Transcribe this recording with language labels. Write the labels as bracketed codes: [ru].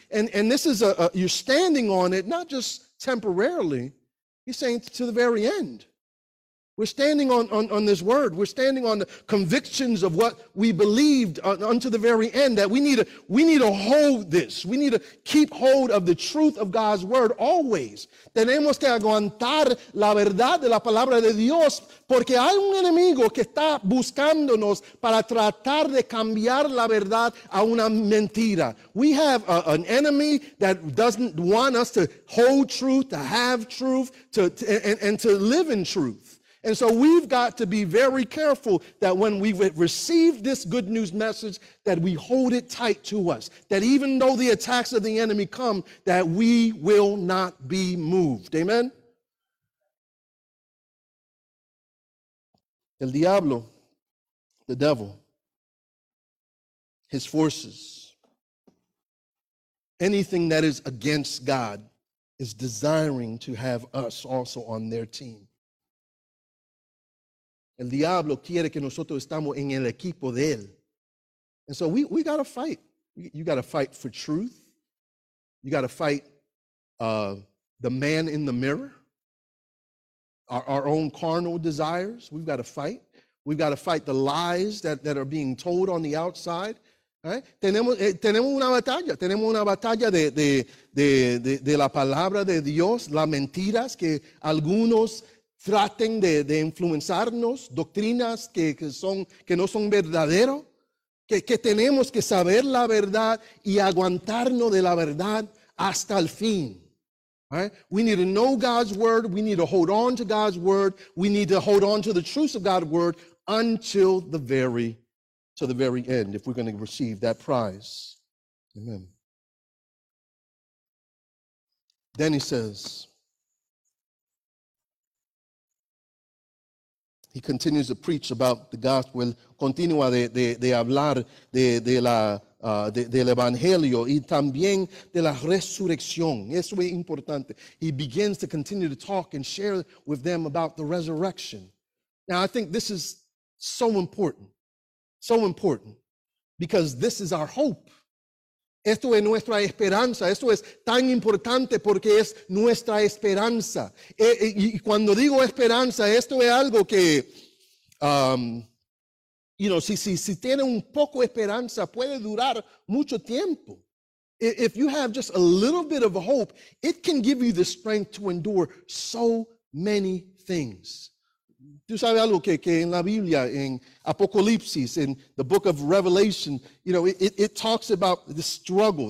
[en] And this is you're standing on it, not just temporarily. He's saying to the very end, we're standing on this word. We're standing on the convictions of what we believed unto the very end, that we need to hold this. We need to keep hold of the truth of God's word always. [es] Tenemos que aguantar la verdad de la palabra de Dios, porque hay un enemigo que está buscándonos para tratar de cambiar la verdad a una mentira. [en] We have an enemy that doesn't want us to hold truth, to have truth, and to live in truth. And so we've got to be very careful that when we receive this good news message, that we hold it tight to us, that even though the attacks of the enemy come, that we will not be moved. Amen? [es] El diablo, [en] the devil, his forces, anything that is against God is desiring to have us also on their team. [es] El diablo quiere que nosotros estamos en el equipo de él. [en] And so we got to fight. You got to fight for truth. You got to fight the man in the mirror. Our own carnal desires, we've got to fight. We've got to fight the lies that are being told on the outside. [es] Right? Tenemos una batalla. Tenemos una batalla de la palabra de Dios, las mentiras que algunos traten de influenciarnos, doctrinas que no son verdaderos, que tenemos que saber la verdad y aguantarnos de la verdad hasta el fin. [en] Right? We need to know God's word. We need to hold on to God's word. We need to hold on to the truth of God's word until the very end, if we're going to receive that prize. Amen. Then he says, he continues to preach about the gospel, [es] continúa de hablar del evangelio y también de la resurrección. Eso es importante. [en] He begins to continue to talk and share with them about the resurrection. Now, I think this is so important, because this is our hope. [es] Esto es nuestra esperanza. Esto es tan importante porque es nuestra esperanza. Y cuando digo esperanza, esto es algo que, si tiene un poco esperanza, puede durar mucho tiempo. [en] If you have just a little bit of hope, it can give you the strength to endure so many things. [es] Tú sabes algo que en la Biblia, en Apocalipsis, [en] in the book of Revelation, you know, it talks about the struggle.